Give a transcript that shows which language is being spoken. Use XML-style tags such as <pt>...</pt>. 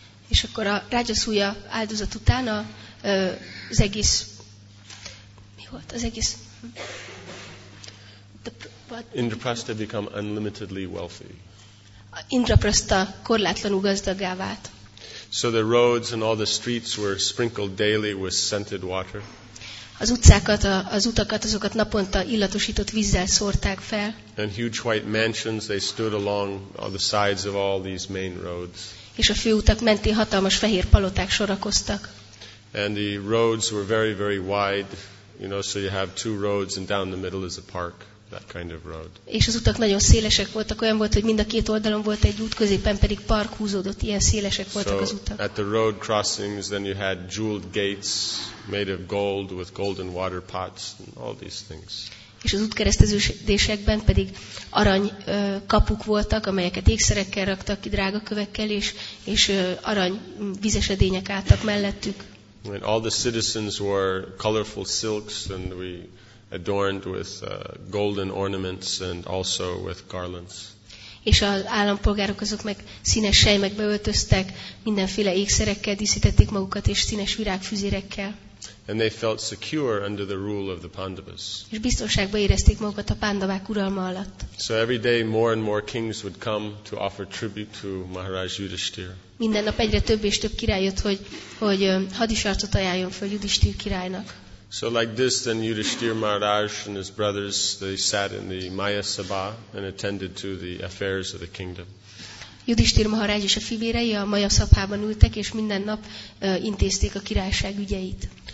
<hu>És akkor a Rajasuya áldozat után az egész mi volt? Az egész</hu> <en>Indraprastha become unlimitedly wealthy.</en> <hu>Indraprastha korlátlanul gazdaggá vált.</hu> <en>So the roads and all the streets were sprinkled daily with scented water.</en> <hu>Az utcákat, az utakat, azokat naponta illatosított vízzel szórták fel.</hu> <en>And huge white mansions, they stood along all the sides of all these main roads.</en> <hu>És a főutak mentén hatalmas fehér paloták sorakoztak.</hu> <en>And the roads were very, very wide, you know, so you have two roads and down the middle is a park, that kind of road.</en> <hu>És az utak nagyon szélesek voltak, olyan volt, hogy mind a két oldalon volt egy út, középen pedig park húzódott, ilyen szélesek voltak az utak.</hu> <en>So at the road crossings, then you had jeweled gates made of gold with golden water pots and all these things.</en> <hu>És az útkereszteződésekben pedig arany kapuk voltak, amelyeket ékszerekkel raktak ki, drága kövekkel, és arany vizesedények álltak mellettük.</hu> <en>And all the citizens wore colorful silks and we adorned with golden ornaments and also with garlands.</en> <hu>És az állampolgárok azok meg színes sejmekbe öltöztek, mindenféle ékszerekkel díszítették magukat és színes virágfüzérekkel.</hu> <en>And they felt secure under the rule of the Pandavas.</en> <hu>És biztonságban érezték magukat a Pandavák uralma alatt.</hu> <en>So every day more and more kings would come to offer tribute to Maharaj Yudhishthira.</en> <hu>Minden nap egyre több és több király jött, hogy hadisarcot ajánljon fel Yudhishthira királynak.</hu> <en>So like this, then Yudhishthira Maharaj and his brothers, they sat in the Maya Sabha and attended to the affairs of the kingdom.</en> <hu>Yudhishthira Maharaj és a fivérei a Maya Sabhában ültek és minden nap intézték a királyság ügyeit.</hu>